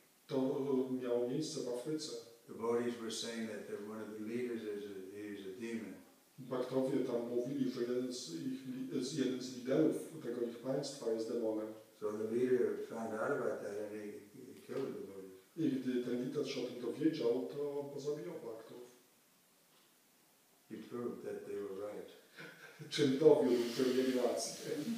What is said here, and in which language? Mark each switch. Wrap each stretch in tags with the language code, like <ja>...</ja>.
<pl>To miało miejsce w Afryce.</pl> <en>The devotees were saying that one of the leaders is a demon.</en> <pl>Bhaktowie tam mówili, że jeden z liderów tego ich państwa jest demonem.</pl> <en>So the leader found out about that and he killed the devotees.</en> <pl>I gdy ten lider się o tym dowiedział, to pozabijał bhaktów.</pl> <en>He proved that they were right.</en> <pl>Czym dowiódł, że mieli rację.</pl>